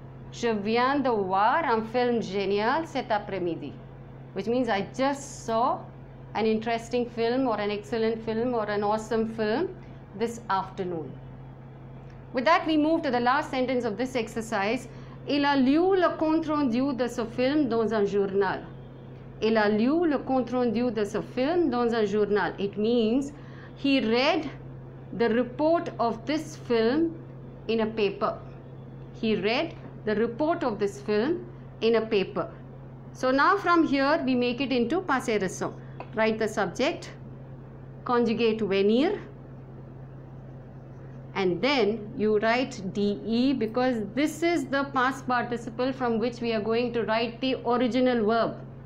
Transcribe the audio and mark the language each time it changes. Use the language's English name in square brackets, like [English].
[French] Je viens de voir un film génial cet après-midi, [English] which means I just saw an interesting film or an excellent film or an awesome film this afternoon. With that, we move to the last sentence of this exercise. [French] Il a lu le compte-rendu de ce film dans un journal. Il a lu le compte-rendu de ce film dans un journal. [English] It means he read the report of this film in a paper. He read the report of this film in a paper. So now from here, we make it into passé récent. Write the subject, conjugate venir, and then you write de because this is the past participle from which we are going to write the original verb.